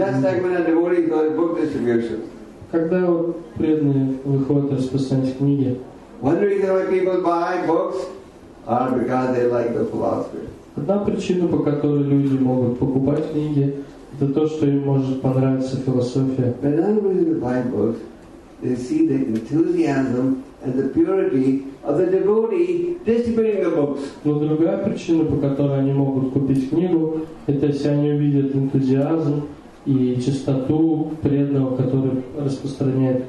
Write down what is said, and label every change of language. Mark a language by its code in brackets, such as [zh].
[en] Just like when a devotee goes to book distribution. [ru] Когда преданные выходят распространять книги. [en] One reason why people buy books are because they like the philosophy. [ru] Одна причина, по которой люди могут покупать книги, это то, что им может понравиться философия. [en] But another reason to buy books, they see the enthusiasm and the purity of the devotee distributing the books. [ru] Но другая причина, по которой они могут купить книгу, это если они увидят энтузиазм и чистоту преданного, который распространяет